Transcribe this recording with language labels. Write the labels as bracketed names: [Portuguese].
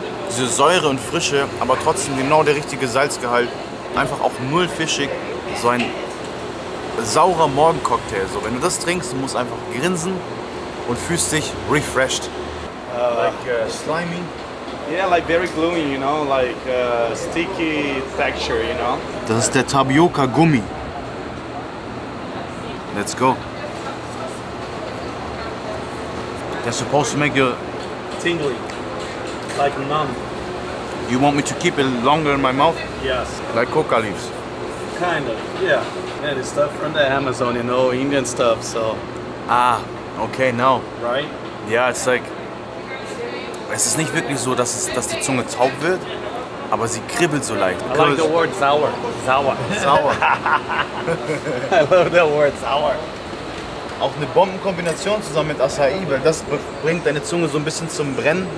[German] Diese Säure und Frische, aber trotzdem genau der richtige Salzgehalt. Einfach auch null fischig. So ein saurer Morgencocktail. So, wenn du das trinkst, du musst einfach grinsen und fühlst dich refreshed. [English] Slimy. Yeah, like very gluey, you know, like sticky texture, you know. [German] Das ist der Tapioca Gummi. [English] Let's go. They're supposed to make you tingly, like numb. You want me to keep it longer in my mouth? Yes. Like coca leaves. Kind of. Yeah. Yeah, the stuff from the Amazon, you know, Indian stuff. So. Ah. Okay. Now. Right. Yeah, it's like. [German] Es ist nicht wirklich so, dass die Zunge taub wird, aber sie kribbelt so leicht. [English] I like the word sour. Sour. Sour. I love the word sour. [German] Auch eine Bombenkombination zusammen mit Acai, weil das bringt deine Zunge so ein bisschen zum Brennen.